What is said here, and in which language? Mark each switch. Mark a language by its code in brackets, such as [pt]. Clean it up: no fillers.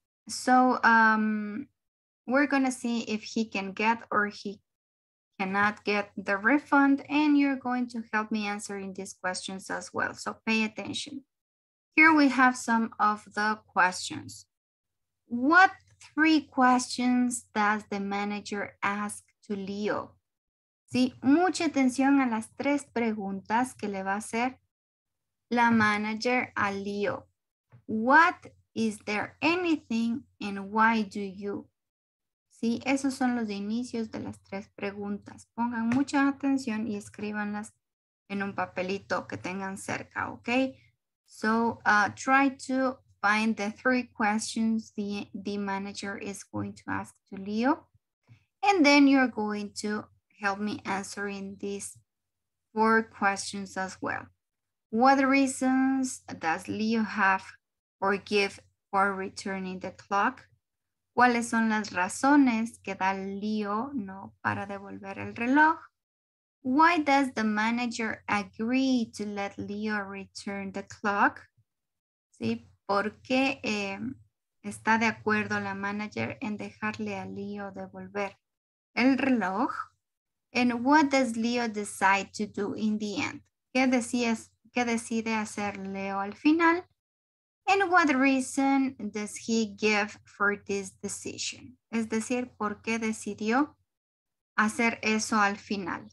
[en] So we're gonna see if he can get or he cannot get the refund, and you're going to help me answering these questions as well. So pay attention. Here we have some of the questions. What three questions does the manager ask to Leo? [es] Sí, mucha atención a las tres preguntas que le va a hacer la manager a Leo. [en] What is there anything and why do you? [es] Sí, esos son los inicios de las tres preguntas. Pongan mucha atención y escríbanlas en un papelito que tengan cerca, ¿ok? [en] So, try to find the three questions the manager is going to ask to Leo. And then you're going to help me answering these four questions as well. What reasons does Leo have or give for returning the clock? [es] ¿Cuáles son las razones que da Leo no para devolver el reloj? [en] Why does the manager agree to let Leo return the clock? [es] ¿Sí? ¿Por qué está de acuerdo la manager en dejarle a Leo devolver el reloj? [en] And what does Leo decide to do in the end? [es] ¿Qué decides, que decide hacer Leo al final? [en] And what reason does he give for this decision? [es] Es decir, ¿por qué decidió hacer eso al final?